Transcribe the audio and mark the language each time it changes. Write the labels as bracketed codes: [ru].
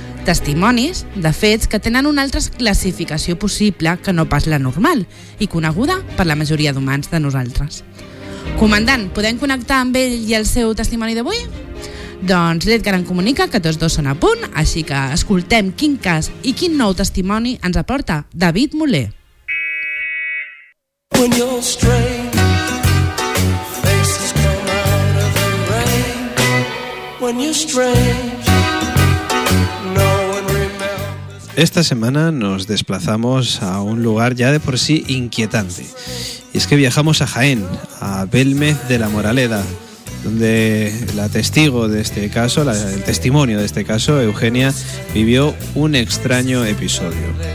[ca] Testimonis de fets que tenen una altra classificació possible que no pas la normal i coneguda per la majoria d'humans de nosaltres. Comandant, podem connectar amb ell i el seu testimoni d'avui? Doncs l'Edgar en comunica que tots dos són a punt, així que escoltem quin cas i quin nou testimoni ens aporta David Muller. [en] When you're strange, faces come out of the rain. When you're strange, no one remembers. [es] Esta semana nos desplazamos a un lugar ya de por sí inquietante. Y es que viajamos a Jaén, a Belmez de la Moraleda, donde la testigo de este caso, el testimonio de este caso, Eugenia, vivió un extraño episodio.